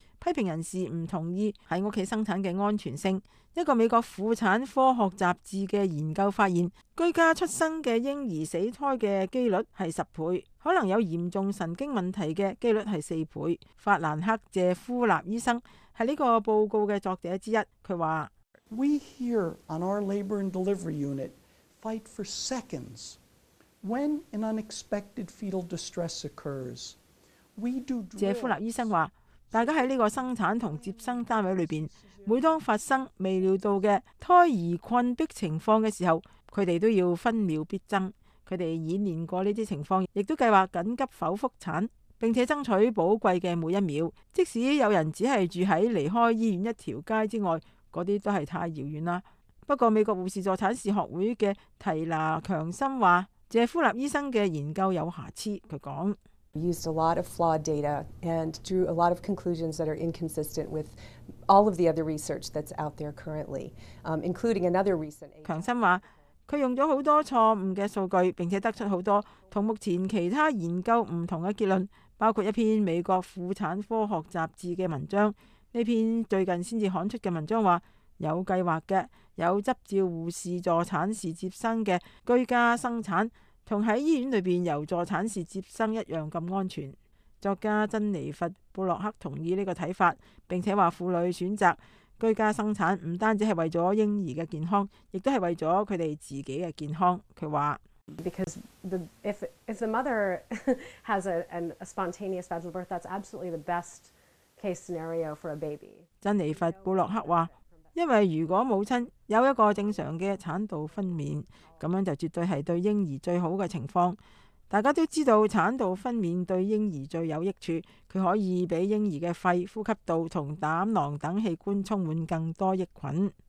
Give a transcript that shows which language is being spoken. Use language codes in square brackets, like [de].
[zh] 批评人士不同意在屋企生产的安全性。一个美国妇产科学杂志的研究发现，居家出生的婴儿死胎的几率是10倍，可能有严重神经问题的几率是4倍。法兰克·谢夫纳医生是这个报告的作者之一，他说， [en] We here on our labor and delivery unitfight for seconds. When an unexpected fetal distress occurs, we do drills. [zh] 谢夫纳医生说，大家在这个生产和接生单位里面，每当发生未料到的胎儿困迫情况的时候，他们都要分秒必争。他们演练过这些情况，也都计划紧急剖腹产，并且争取宝贵的每一秒。即使有人只是住在离开医院一条街之外，那些都是太遥远了。不过美国护士助产士学会的提拿强森说，谢夫纳医生的研究有瑕疵。他说， [en] used a lot of flawed data and drew a lot of conclusions that are inconsistent with all of the other research that's out there currently, including another recent. [zh] 强森说，他用了很多错误的数据，并且得出很多和目前其他研究不同的结论，包括一篇美国妇产科学杂志的文章。这篇最近才刊出的文章说，有计划的有执照护士助产士接生的居家生产和在医院里面由助产士接生一样那么安全。作家珍妮佛·布洛克同意这个看法，并且说，妇女选择居家生产不单止是为了婴儿的健康，也是为了他们自己的健康。他说， [en] Because the, if the mother has a spontaneous vaginal birth, that's absolutely the best case scenario for a baby. [zh] 珍妮佛·布洛克说，因为如果母亲有一个正常的产道分娩，这样就绝对是对婴儿最好的情况。大家都知道產道分娩對嬰兒最有益處，它可以比嬰兒的肺、呼吸道和膽囊等器官充滿更多益菌。